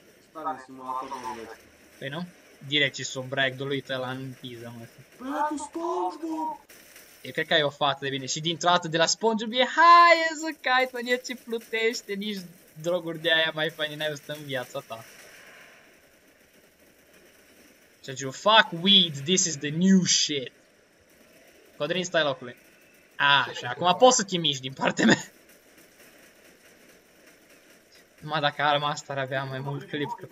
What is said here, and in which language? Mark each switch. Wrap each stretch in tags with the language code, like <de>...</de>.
<ro>Stare, simulator, nu vezi. Păi nu? Direct și sub ragdoll, uite ăla în piză, mă. Băiatul, SpongeBob! Eu cred că ai o fată de bine și dintr-o dată de la SpongeBob e hai, e zucait, mă, ce plutește, nici droguri de aia mai faine n-ai văzut în viața ta. Ce zice,</ro> <en>fuck weed, this is the new shit.</en> <ro>Codrin, stai locului. Așa, acum poți să te miști din partea mea. Numai dacă arma asta ar avea mai mult clip.</ro>